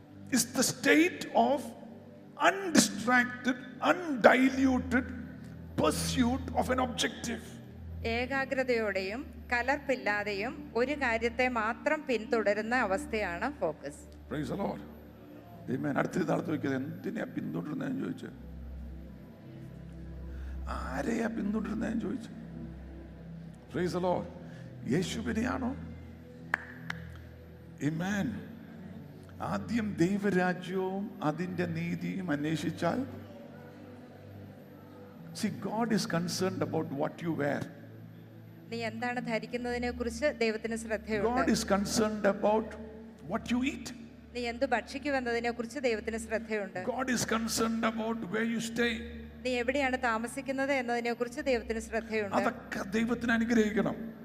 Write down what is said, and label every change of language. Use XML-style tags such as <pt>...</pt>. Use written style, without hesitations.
<en>It's the state of undistracted, undiluted pursuit of an objective.</en> <ml>ഏകാഗ്രതയോടെയും കലർപ്പില്ലാതെയും ഒരു കാര്യത്തെ മാത്രം പിന്തുടരുന്ന അവസ്ഥയാണ് focus.</ml> <en>Praise the Lord. Amen.</en> <ml>അടുത്ത നാളത്ത് വെക്കുന്നത് എന്തിനാ പിന്തുടരുന്നത് എന്ന് ചോദിച്ചു. ആരെയാ പിന്തുടരുന്നത് എന്ന് ചോദിച്ചു.</ml> <en>Praise the Lord.</en> <ml>യേശുവിനെയാണോ? ആമേൻ. ആദ്യം ദൈവരാജ്യവും അതിൻ്റെ നീതിയും അന്വേഷിച്ചാൽ.</ml> <en>See, God is concerned about what you wear.</en> <ml>നീ എന്താണ് ധരിക്കുന്നതിനെ കുറിച്ച് ദൈവത്തിന് ശ്രദ്ധയുണ്ട്.</ml> <en>God is concerned about what you eat.</en> <ml>നീ എന്ത് ഭക്ഷിക്കുന്നതിനെ കുറിച്ച് ദൈവത്തിന് ശ്രദ്ധയുണ്ട്.</ml> <en>God is concerned about where you stay.</en> <ml>നീ എവിടെയാണ് താമസിക്കുന്നത് എന്നതിനെ കുറിച്ച് ദൈവത്തിന് ശ്രദ്ധയുണ്ട്. അതൊക്കെ ദൈവത്തിന് അനുഗ്രഹിക്കണം.</ml>